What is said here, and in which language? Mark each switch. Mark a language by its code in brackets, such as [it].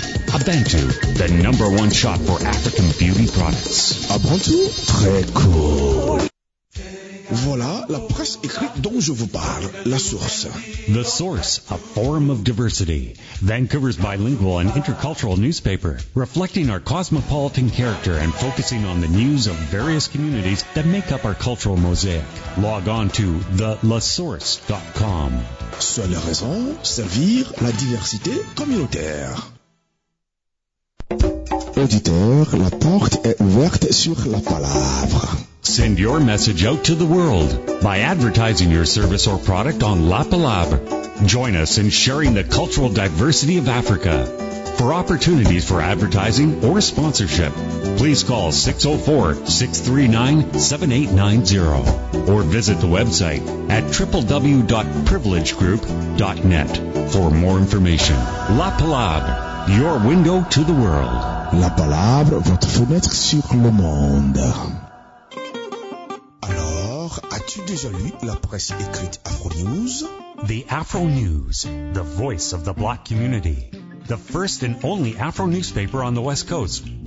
[en] Abantu, the number one shop for African beauty products. [fr] Abantu, très cool. Voilà la presse écrite dont je vous parle, la source. [en] The Source, a forum of diversity. Vancouver's bilingual and intercultural newspaper, reflecting our cosmopolitan character and focusing on the news of various communities that make up our cultural mosaic. Log on to thelasource.com. [fr] Seule raison, servir la diversité communautaire. Auditeur, la porte est ouverte sur la palabre. [en] Send your message out to the world by advertising your service or product on La Palabre. Join us in sharing the cultural diversity of Africa. For opportunities for advertising or sponsorship, please call 604-639-7890 or visit the website at www.privilegegroup.net for more information. La Palabre, your window to the world. [fr] La Palabre, votre fenêtre sur le monde. Alors, as-tu déjà lu la presse écrite Afro News? [en] The Afro News, the voice of the black community. The first and only Afro newspaper on the West Coast.